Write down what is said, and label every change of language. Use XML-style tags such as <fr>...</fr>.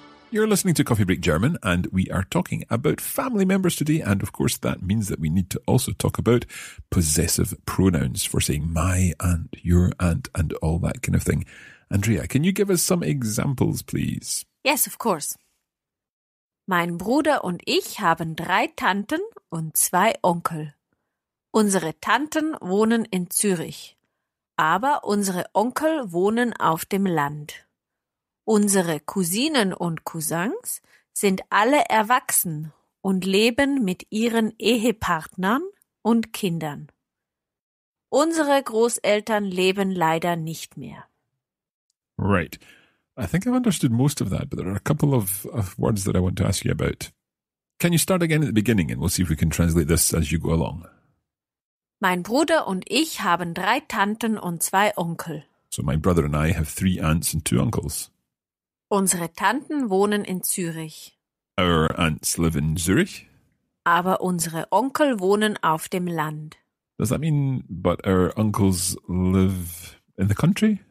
<en>You're listening to Coffee Break German, and we are talking about family members today. And of course, that means that we need to also talk about possessive pronouns for saying my aunt, your aunt, and all that kind of thing. Andrea, can you give us some examples, please? Yes, of course.</en> <de>Mein Bruder und ich haben 3 Tanten und 2 Onkel. Unsere Tanten wohnen in Zürich, aber unsere Onkel wohnen auf dem Land. Unsere Cousinen und Cousins sind alle erwachsen und leben mit ihren Ehepartnern und Kindern. Unsere Großeltern leben leider nicht mehr.</de> <en>Right. I think I've understood most of that, but there are a couple of words that I want to ask you about. Can you start again at the beginning and we'll see if we can translate this as you go along?</en> <de>Mein Bruder und ich haben 3 Tanten und 2 Onkel.</de> <en>So my brother and I have 3 aunts and 2 uncles.</en> <de>Unsere Tanten wohnen in Zürich.</de> <en>Our aunts live in Zürich.</en> <de>Aber unsere Onkel wohnen auf dem Land.</de> <en>Does that mean, but our uncles live in the country?</en>